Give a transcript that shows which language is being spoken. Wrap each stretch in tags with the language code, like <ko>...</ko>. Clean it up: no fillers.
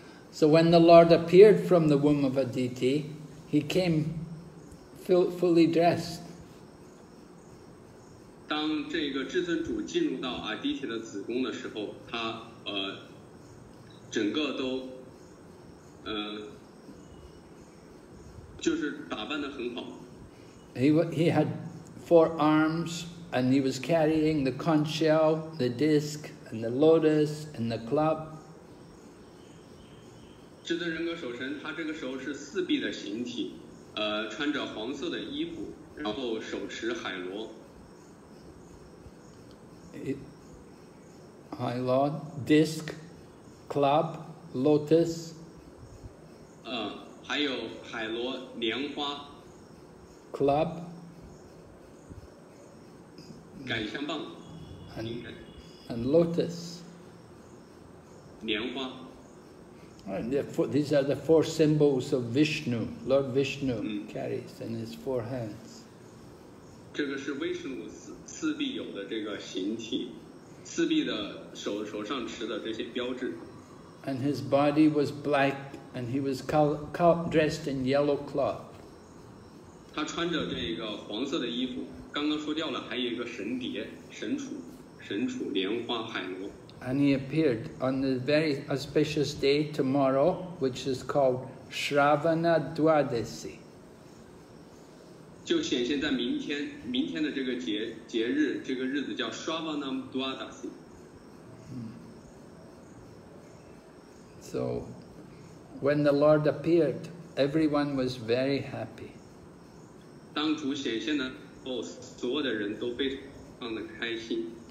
<en>So when the Lord appeared from the womb of Aditi, he came fully dressed.</en> <zh>当这个至尊主进入到阿迪提的子宫的时候，他整个都就是打扮得很好。</zh> <en>He had four arms, and he was carrying the conch shell, the disc, and the lotus, and the club.</en> <zh>至尊人格首神，他这个时候是四臂的形体，穿着黄色的衣服，然后手持海螺。海螺、disc、club、lotus。还有海螺、莲花。</zh> <en>Club。</en> <zh>感香棒</zh> <en>and lotus.</en> <zh>莲花</zh> <en>and these are the four symbols of Vishnu. Lord Vishnu carries in his four hands.</en> <zh>这个是 Vishnu 四臂有的这个形体，四臂的手上持的这些标志。</zh> <en>And his body was black, and he was dressed in yellow cloth.</en> <zh>他穿着这个黄色的衣服。刚刚说掉了，还有一个神碟、神杵、莲花、海螺。</zh> <en>And he appeared on the very auspicious day tomorrow, which is called Shravana Dwadesi.</en> <zh>就显现在明天的这个节日，这个日子叫 Shravana Dwadesi。</zh> <en>So when the Lord appeared, everyone was very happy.</en> <zh>当主显现了, 所有的人都非常的开心。</zh>